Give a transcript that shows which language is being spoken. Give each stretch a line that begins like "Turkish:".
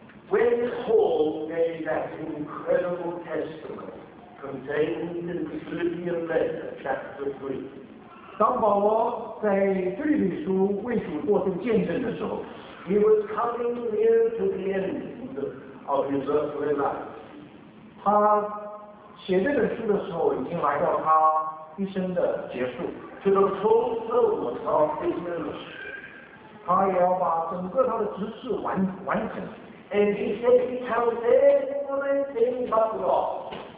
English: When Paul gave that incredible testimony contained in Philippians letter chapter 3,
Chinese: 当保罗在腓立比书为主做这个见证的时候，
English: he was coming near to the end of his earthly life.
Chinese: 他写这本书的时候已经来到他 一生的结束，
English: to the fulfillment of his ministry.
Chinese: 他也要把整个他的职事完成。
English: And he said he counts everything but loss.